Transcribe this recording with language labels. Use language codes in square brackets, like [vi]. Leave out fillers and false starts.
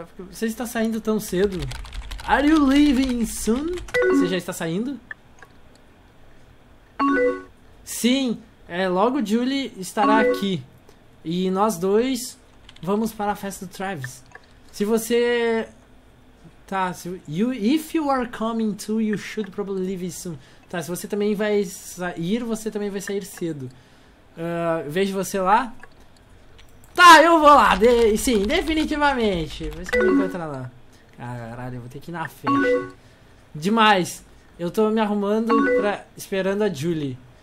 [pt] Você está saindo tão cedo? [en] Are you leaving soon? [pt] Você já está saindo? Sim, logo Julie estará aqui. E nós dois vamos para a festa do Travis. Se você... Tá, se... [en] You, if you are coming too, you should probably leave soon. [pt] Tá, se você também vai sair, você também vai sair cedo. Vejo você lá. Tá, eu vou lá. Sim, definitivamente. Você me encontra lá. Caralho, eu vou ter que ir na festa. Demais. Eu tô me arrumando pra... Esperando a Julie.